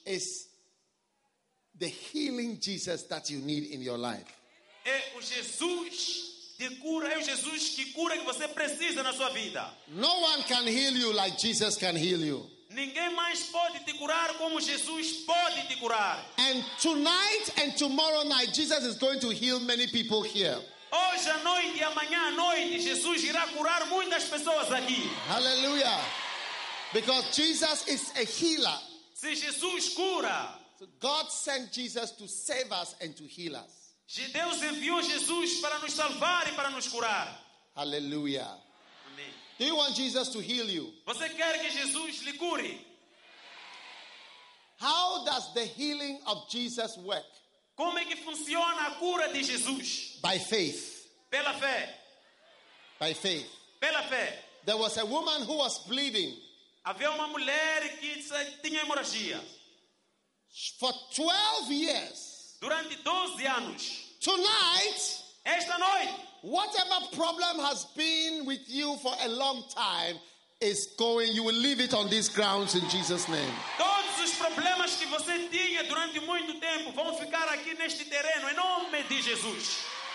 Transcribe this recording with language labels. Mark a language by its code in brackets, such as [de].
[en] is the healing Jesus that you need in your life. [pt] É o Jesus de cura, é o Jesus que cura que você precisa na sua vida. [en] No one can heal you like Jesus can heal you. [pt] Ninguém mais pode te curar como Jesus pode te curar. [en] And tonight and tomorrow night, Jesus is going to heal many people here. [pt] Hoje à noite e amanhã à noite, Jesus irá curar muitas pessoas aqui. [en] Hallelujah. Because Jesus is a healer. [pt] Se Jesus cura. [en] So God sent Jesus to save us and to heal us. [pt] Deus enviou Jesus para nos salvar e para nos curar. [en] Hallelujah. [pt] Amém. [en] Do you want Jesus to heal you? [pt] Você quer que Jesus lhe cure? [en] How does the healing of Jesus work? [pt] Como é que funciona a cura de Jesus? [en] By faith. [pt] Pela fé. [en] By faith. [pt] Pela fé. [en] There was a woman who was bleeding. [pt] Havia uma mulher que tinha hemorragia. [en] For 12 years. [pt] Durante 12 anos. [en] Tonight. [pt] Esta noite. [en] Whatever problem has been with you for a long time is going, you will leave it on these grounds in Jesus' name. [pt] Todos os problemas que você tinha durante muito tempo vão ficar aqui neste terreno em nome de Jesus.